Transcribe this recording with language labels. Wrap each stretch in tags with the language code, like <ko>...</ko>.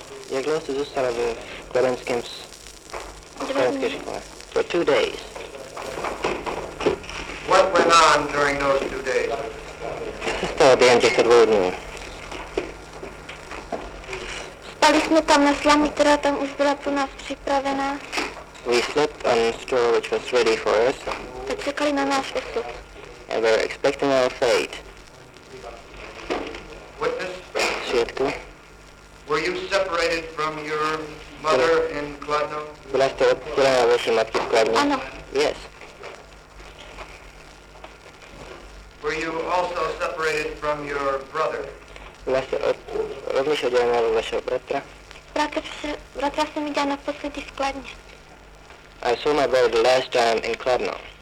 <cs>Jak dlouho jste zůstala v Kladenském škole?</cs> <en>For 2 days. What went on during those 2 days?</en> <cs>Co se stalo během těchto 2 dní? Spali jsme tam na slamu, která tam už byla plná připravená.</cs> <en>We slept on straw which was ready for us.</en> <cs>A čekali na náš osud.</cs> <en>And we're expecting our fate. Witness?</en> <cs>Svědku?</cs> <en>Were you separated from your mother in Kladno?</en> <cs>Byla jste odpojená od vaší matky v Kladně? Ano.</cs> <en>Yes. Were you also separated from your brother?</en> <cs>Byla jste rovněž oddělená od vašeho bratra? Bratra jsem viděla naposledy v Kladně.</cs> <en>I saw my brother the last time in Kladno.</en>